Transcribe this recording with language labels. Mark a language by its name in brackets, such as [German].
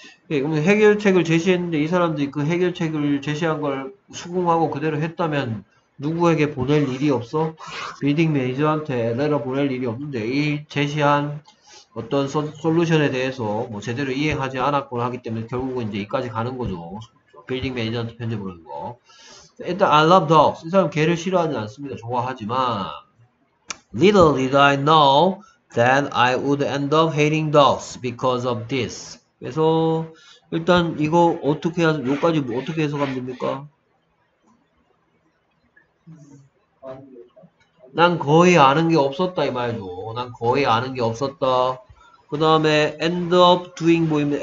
[Korean] 예, 그럼 해결책을 제시했는데, 이 사람들이 그 해결책을 제시한 걸 수긍하고 그대로 했다면, 누구에게 보낼 일이 없어? 빌딩 매니저한테 레러 보낼 일이 없는데, 이 제시한 어떤 솔루션에 대해서 뭐 제대로 이행하지 않았거나 하기 때문에 결국은 이제 이까지 가는 거죠. 빌딩 매니저한테 편지 보내는 거. [English] 일단 I love dogs. [Korean] 이 사람 개를 싫어하지 않습니다. [English] 좋아하지만 Little did I know that I would end up hating dogs because of this. [Korean] 그래서 일단 이거 어떻게 해서 여기까지 뭐 어떻게 해석하면 됩니까? 난 거의 아는 게 없었다 이 말이죠. 난 거의 아는 게 없었다. 그 다음에 end up doing 보입니다.